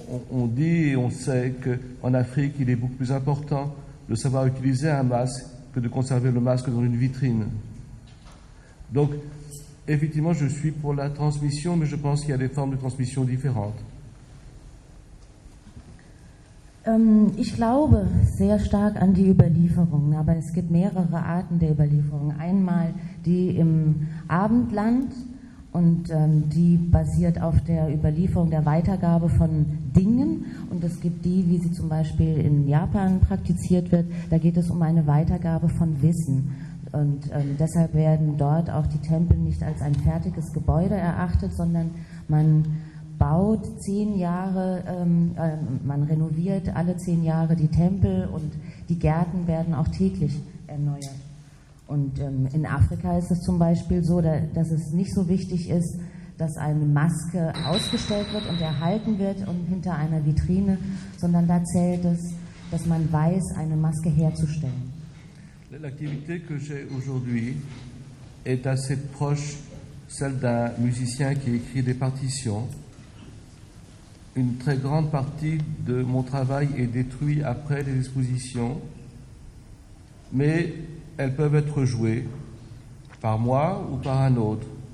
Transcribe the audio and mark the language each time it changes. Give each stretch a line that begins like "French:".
French: On dit et on sait qu'en Afrique, il est beaucoup plus important de savoir utiliser un masque que de conserver le masque dans une vitrine. Donc, effectivement, je suis pour la transmission, mais je pense qu'il y a des formes de transmission différentes.
German: Ich glaube sehr stark an die Überlieferung, aber es gibt mehrere Arten der Überlieferung. Einmal die im Abendland und die basiert auf der Überlieferung der Weitergabe von Dingen. Und es gibt die, wie sie zum Beispiel in Japan praktiziert wird, da geht es um eine Weitergabe von Wissen. Und deshalb werden dort auch die Tempel nicht als ein fertiges Gebäude erachtet, sondern man baut 10 Jahre, man renoviert alle 10 Jahre die Tempel und die Gärten werden auch täglich erneuert. Und in Afrika ist es zum Beispiel so, dass es nicht so wichtig ist, dass eine Maske ausgestellt wird und erhalten wird und hinter einer Vitrine, sondern da zählt es, dass man weiß, eine Maske herzustellen.
French: L'activité que j'ai aujourd'hui est assez proche celle d'un musicien qui écrit des partitions. Une très grande partie de mon travail est détruite après les expositions, mais elles peuvent être jouées par moi ou par un autre.